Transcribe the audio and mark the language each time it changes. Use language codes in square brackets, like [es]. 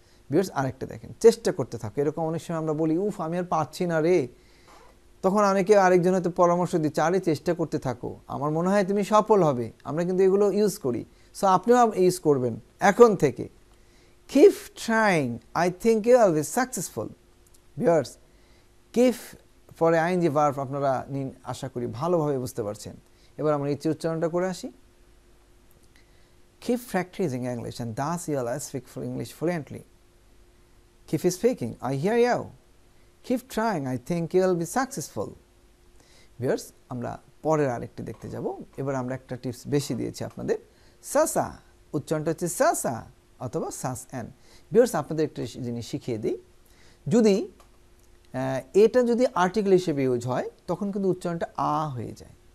[bn] Viewers, আরেকটা দেখেন, চেষ্টা করতে থাকো, এরকম অনেক সময় আমরা বলি উফ আমি আর পাচ্ছি না রে, তখন অনেকে আরেকজন হয়তো পরামর্শ দিচ্ছে, আরে চেষ্টা করতে থাকো, আমার মনে হয় তুমি সফল হবে, আমরা কিন্তু এগুলো ইউজ করি, সো আপনিও ইউজ করবেন এখন থেকে, [en] Keep trying, I think you will be successful. [bn] Viewers, keep পরে আইএনজি ভার্ব আপনারা নিন, আশা করি ভালোভাবে বুঝতে পারছেন, এবার আমরা ইচ্ছে উচ্চারণটা করে আসি। [en] Keep practicing English and thus you will speak full English fluently. Keep speaking, I hear you. Keep trying, I think you will be successful. Viewers, [bn] আমরা পরের আরেকটি দেখতে যাব। এবার আমরা একটা টিপস বেশি দিয়েছি আপনাদের। Sasa, উচ্চারণটা হচ্ছে Sasa অথবা Sasan. [en] Viewers, [bn] আপনাদের একটা জিনিস শিখিয়ে দিই। যদি এটা যদি আর্টিকেল হিসেবে ইউজ হয় তখন কিন্তু উচ্চারণটা আ হয়ে যায়।